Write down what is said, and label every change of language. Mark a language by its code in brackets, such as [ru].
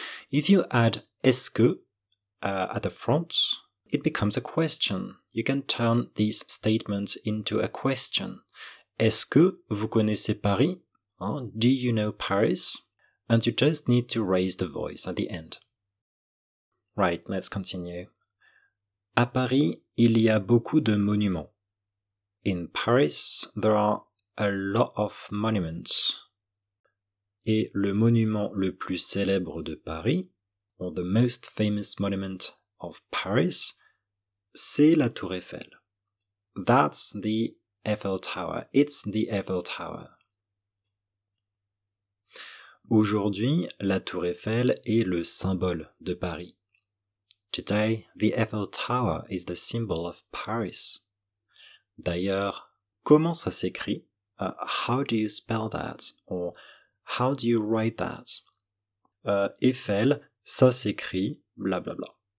[en] If you add [fr] est-ce que [en] at the front, it becomes a question. You can turn this statement into a question. [fr] Est-ce que vous connaissez Paris? [en] Do you know Paris? And you just need to raise the voice at the end. Right, let's continue. [fr] À Paris, il y a beaucoup de monuments. [en] In Paris, there are a lot of monuments. [fr] Et le monument le plus célèbre de Paris, [en] or the most famous monument of Paris, [fr] c'est la Tour Eiffel. [en] That's the Eiffel Tower. It's the Eiffel Tower. [fr] Aujourd'hui, la Tour Eiffel est le symbole de Paris. [en] Today, the Eiffel Tower is the symbol of Paris. [fr] D'ailleurs, comment ça s'écrit? [en] How do you spell that? Or how do you write that? [fr] Eiffel, ça s'écrit, bla bla bla.